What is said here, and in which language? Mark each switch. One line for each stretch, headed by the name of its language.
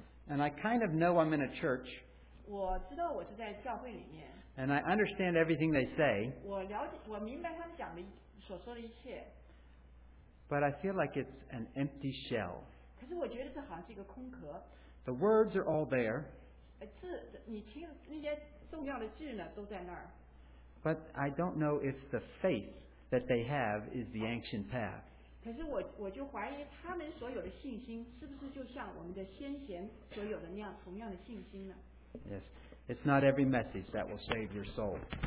English: And I kind of know I'm in a church. And I understand everything they say.
Chinese: 我了解，我明白他们讲的所说的一切。
English: But I feel like it's an empty shell.
Chinese: 可是我觉得这好像是一个空壳。
English: The words are all there.
Chinese: 字，你听那些重要的字呢，都在那儿。
English: But I don't know if the faith that they have is the ancient path.
Chinese: 可是我就怀疑他们所有的信心，是不是就像我们的先贤所有的那样同样的信心呢？
English: Yes. It's not every message that will save your soul.